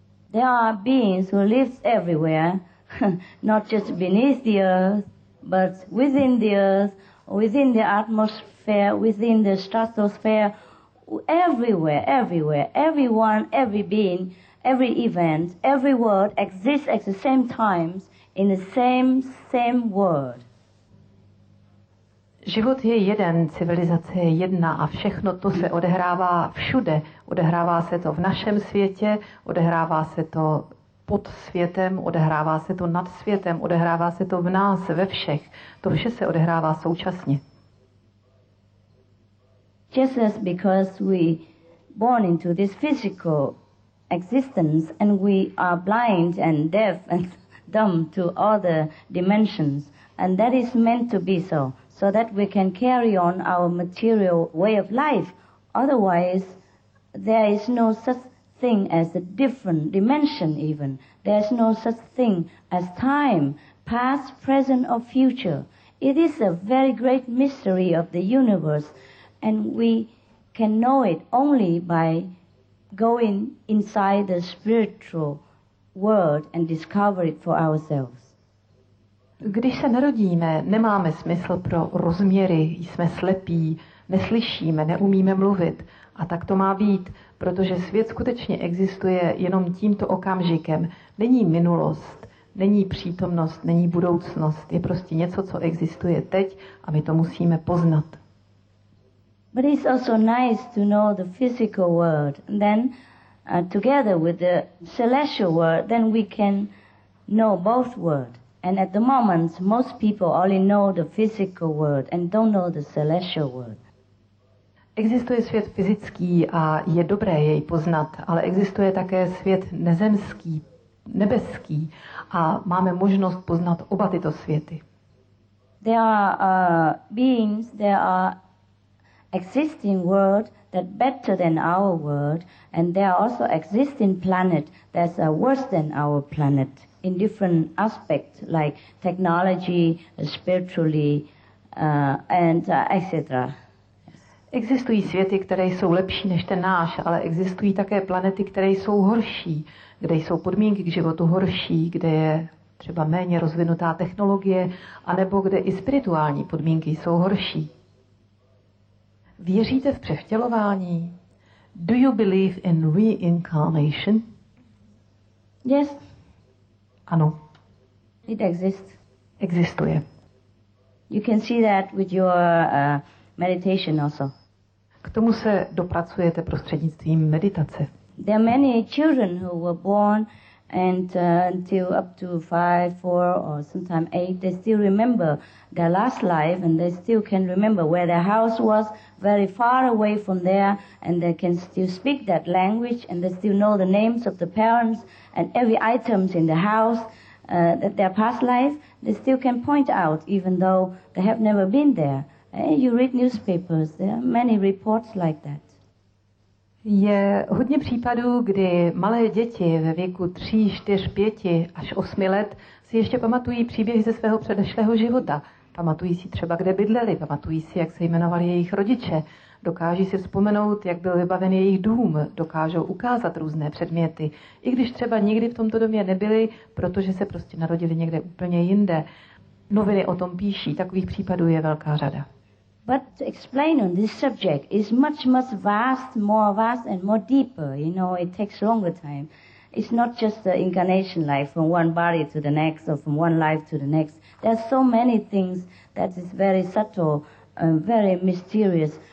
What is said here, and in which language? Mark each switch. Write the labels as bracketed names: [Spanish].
[English] There are beings who live everywhere, not just beneath the earth, but within the earth, within the atmosphere, within the stratosphere, everywhere, everywhere, everyone, every being, every event, every word exists at the same times in the same world. [Czech] Život je jeden, civilizace je jedna a všechno to se odehrává všude. Odehrává se to v našem světě, odehrává se to pod světem, odehrává se to nad světem, odehrává se to v nás, ve všech. To vše se odehrává současně. [English] Just as because we born into this physical existence and we are blind and deaf and dumb to all the dimensions, and that is meant to be so. So that we can carry on our material way of life. Otherwise, there is no such thing as a different dimension even. There is no such thing as time, past, present or future. It is a very great mystery of the universe, and we can know it only by going inside the spiritual world and discover it for ourselves. [Czech] Když se narodíme, nemáme smysl pro rozměry, jsme slepí, neslyšíme, neumíme mluvit. A tak to má být, protože svět skutečně existuje jenom tímto okamžikem. Není minulost, není přítomnost, není budoucnost. Je prostě něco, co existuje teď a my to musíme poznat. [English] But it's also nice to know the physical world. Then, together with the celestial world, then we can know both worlds. And at the moment, most people only know the physical world and don't know the celestial world. [Czech] Existuje svět fyzický a je dobré jej poznat, ale existuje také svět nezemský, nebeský a máme možnost poznat oba tyto světy. [English] There are beings, there are existing world that better than our world, and there are also existing planet that's worse than our planet. In different aspects, like technology, spiritually, etc. [Czech] Existují světy, které jsou lepší než ten náš, ale existují také planety, které jsou horší, kde jsou podmínky k životu horší, kde je třeba méně rozvinutá technologie, anebo kde i spirituální podmínky jsou horší. Věříte v převtělování? [English] Do you believe in reincarnation? Yes. [Czech] Ano. [English] It exists. [Czech] Existuje. [English] You can see that with your meditation also. [Czech] K tomu se dopracujete prostřednictvím meditace. [English] There are many children who were born and until up to 5, 4 or sometimes 8, they still remember their last life and they still can remember where their house was, very far away from there, and they can still speak that language and they still know the names of the parents and every items in the house, that their past life, they still can point out even though they have never been there. You read newspapers, there are many reports like that. [Czech] Je hodně případů, kdy malé děti ve věku 3, 4, 5 až 8 let si ještě pamatují příběhy ze svého předešlého života. Pamatují si třeba, kde bydleli, pamatují si, jak se jmenovali jejich rodiče. Dokáží si vzpomenout, jak byl vybaven jejich dům, dokážou ukázat různé předměty. I když třeba nikdy v tomto domě nebyli, protože se prostě narodili někde úplně jinde. Noviny o tom píší, takových případů je velká řada. [English] But to explain on this subject is much vast, more vast and more deeper. You know, it takes longer time. It's not just the incarnation life from one body to the next or from one life to the next. There are so many things that is very subtle, very mysterious.